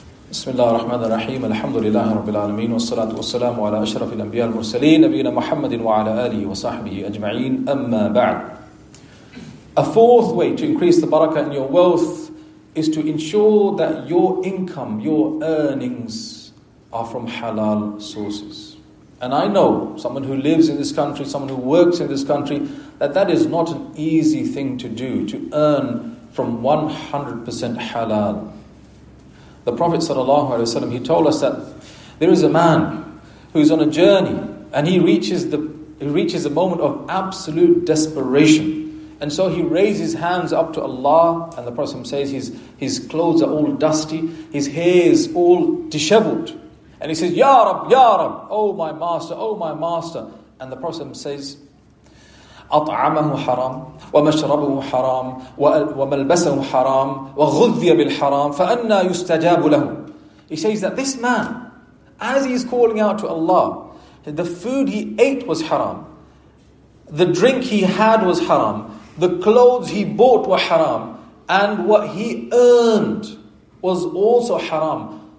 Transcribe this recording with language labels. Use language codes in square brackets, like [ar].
[ar] بسم الله الرحمن الرحيم الحمد لله رب العالمين والصلاة والسلام على أشرف الأنبياء المرسلين نبينا محمد وعلى آله وصحبه أجمعين أما بعد. [en] A fourth way to increase the barakah in your wealth is to ensure that your income, your earnings are from halal sources. And I know someone who lives in this country, someone who works in this country, that is not an easy thing to do, to earn from 100% halal. The Prophet sallallahu alaihi wasallam, he told us that there is a man who is on a journey and he reaches a moment of absolute desperation. And so he raises his hands up to Allah, and the Prophet says his clothes are all dusty, his hair is all disheveled. And he says, Ya Rab, Ya Rab, oh my master, oh my master. And the Prophet says, [ar] أطعمه حرام ومشربه حرام وملبسه حرام وغذي بالحرام فأنا يستجاب له. [en] He says that this man, as he is calling out to Allah, the food he ate was haram, the drink he had was haram, the clothes he bought were haram, and what he earned was also haram.